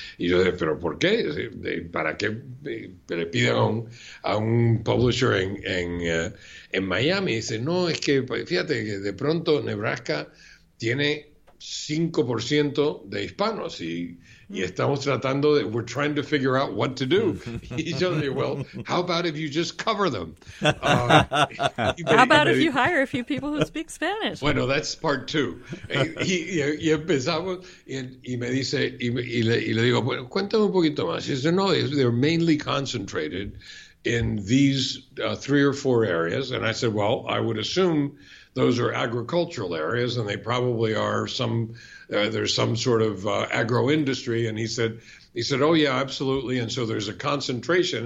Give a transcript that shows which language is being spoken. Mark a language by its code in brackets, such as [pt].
[es] Y yo dije, ¿pero por qué? ¿Para qué le piden a un publisher en Miami? Y dice, no, es que fíjate que de pronto Nebraska tiene 5% de hispanos y estamos tratando de, [en] we're trying to figure out what to do. [es] Y yo dije, [en] well, how about if you just cover them? How about if you hire a few people who speak Spanish? Bueno, that's part two. [es] Y empezamos y me dice, y le digo, bueno, cuéntame un poquito más. Y dice, no, [en] they're mainly concentrated in these three or four areas. And I said, well, I would assume those are agricultural areas, and they probably are there's some sort of agro-industry. And he said, oh, yeah, absolutely. And so there's a concentration.